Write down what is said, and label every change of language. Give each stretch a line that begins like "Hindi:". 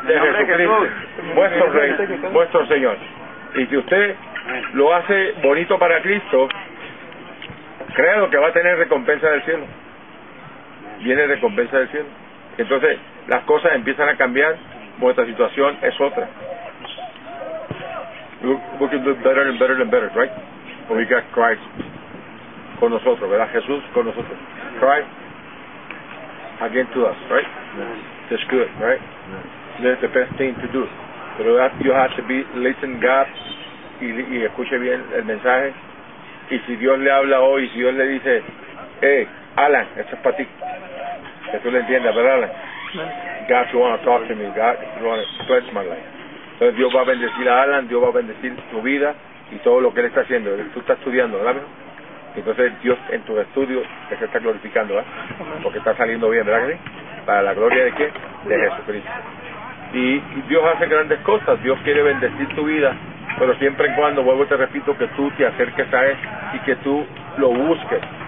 Spanish: De Jesucristo. Vuestro Rey, vuestro Señor. Y si usted lo hace bonito para Cristo, créalo que va a tener recompensa del cielo. Viene recompensa del cielo. Entonces, las cosas empiezan a cambiar, vuestra situación es otra.
English: We can do better and better and better, right? When we got Christ con nosotros, ¿verdad?
Spanish: Jesús con nosotros.
English: Christ again to us, right? Yes. That's good, right? Yes. That's the best thing to do. Pero you have to be listen God y escuche bien el mensaje.
Spanish: Y si Dios le habla hoy, si Dios le dice, hey, Alan, esto es para ti. Que tú le entiendas, ¿verdad, Alan?
English: Yes. God, you want to talk to me. God, you want to touch my life.
Spanish: Entonces Dios va a bendecir a Alan, Dios va a bendecir tu vida y todo lo que él está haciendo. Tú estás estudiando, ¿verdad? Entonces Dios en tus estudios te está glorificando, ¿verdad? Porque está saliendo bien, ¿verdad? ¿Para la gloria de qué? De Jesucristo. Y Dios hace grandes cosas, Dios quiere bendecir tu vida, pero siempre y cuando, vuelvo y te repito, que tú te acerques a Él y que tú lo busques.